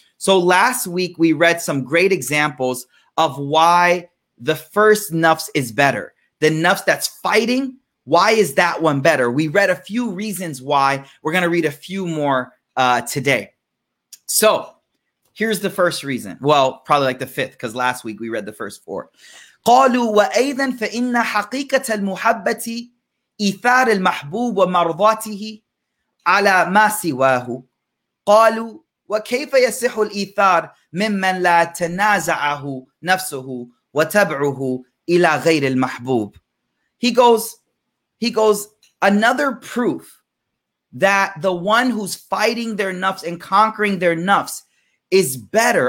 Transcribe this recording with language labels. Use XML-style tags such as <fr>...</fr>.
<en>So last week, we read some great examples of why the first nafs is better. The nafs that's fighting Why is that one better? We read a few reasons why. We're going to read a few more today. So here's the first reason. Well, probably like the fifth, because last week we read the first four.</en> <ar>قالوا وأيضاً فإن حقيقة المحبة إثار المحبوب ومرضاته على ما سواه. قالوا وكيف يصح الإثار ممن لا تنازعه نفسه وتبعه إلى غير المحبوب.</ar> <en>He goes, another proof that the one who's fighting their nafs and conquering their nafs is better.</en>